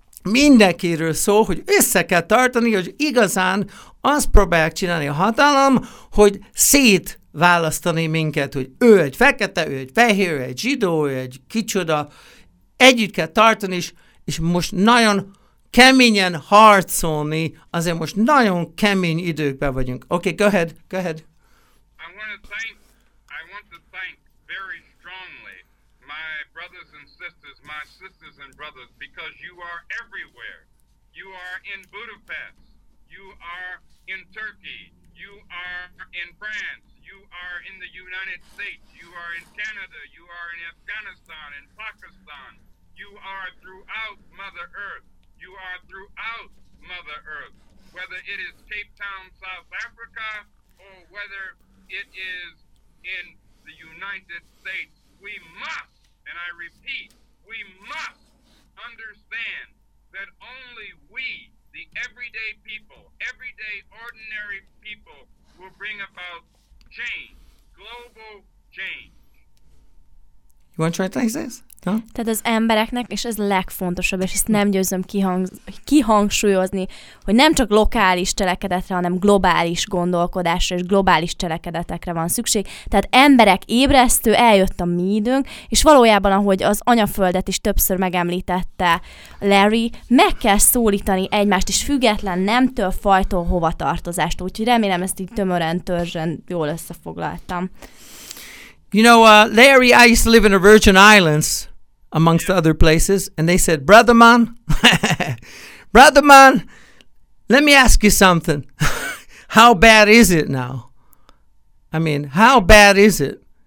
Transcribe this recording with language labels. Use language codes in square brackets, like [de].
[hu] mindenkiről szól, hogy össze kell tartani, hogy igazán azt próbálják csinálni a hatalom, hogy szétválasztani minket, hogy ő egy fekete, ő egy fehér, ő egy zsidó, ő egy kicsoda, együtt kell tartani is, és most nagyon keményen harcolni, azért most nagyon kemény időkben vagyunk. [en] Okay, go ahead. I want to thank very strongly my brothers and sisters, my sisters and brothers, because you are everywhere. You are in Budapest, you are in Turkey, you are in France, you are in the United States, you are in Canada, you are in Afghanistan, in Pakistan. You are throughout Mother Earth. You are throughout Mother Earth. Whether it is Cape Town, South Africa, or whether it is in the United States, we must, and I repeat, we must understand that only we, the everyday people, everyday ordinary people, will bring about change, global change. You want to try things this? [hu] Tehát az embereknek, és ez legfontosabb, és ezt nem győzöm kihangsúlyozni, hogy nem csak lokális cselekedetre, hanem globális gondolkodásra és globális cselekedetekre van szükség. Tehát emberek ébresztő, eljött a mi időnk, és valójában, ahogy az anyaföldet is többször megemlítette Larry, meg kell szólítani egymást, és független nemtől, fajtól, hovatartozástól. Úgyhogy remélem, ezt így tömören, törzsön jól összefoglaltam. [en] You know, Larry, I used to live in the Virgin Islands, amongst other places, and they said, brother man, brother man, let me ask you something. How bad is it now? I mean, how bad is it?